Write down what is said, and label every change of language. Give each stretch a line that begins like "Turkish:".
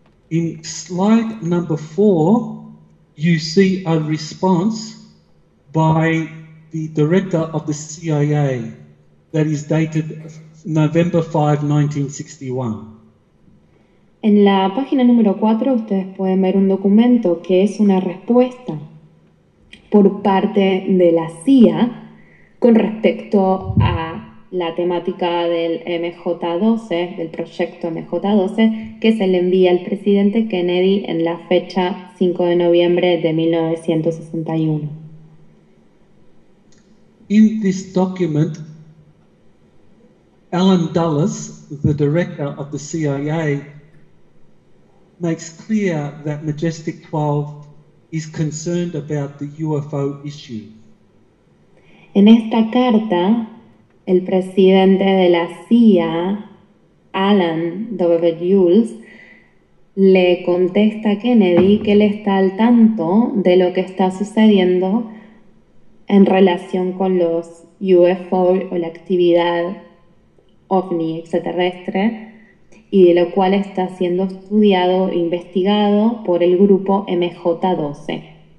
English: In slide number 4, you see a response by the director of the CIA that is dated November 5, 1961.
Spanish: En la página número 4 ustedes pueden ver un documento que es una respuesta por parte de la CIA con respecto a la temática del MJ-12, del proyecto MJ-12, que se le envía al presidente Kennedy en la fecha 5 de noviembre de 1961.
English: In this document, Alan Dulles, the director of the CIA, makes clear that Majestic 12 is concerned about the UFO issue.
Spanish: En esta carta, el presidente de la CIA, Alan W. Jules le contesta a Kennedy que él está al tanto de lo que está sucediendo en relación con los UFO o la actividad ovni extraterrestre, y de lo cual está siendo estudiado e investigado por el grupo MJ-12.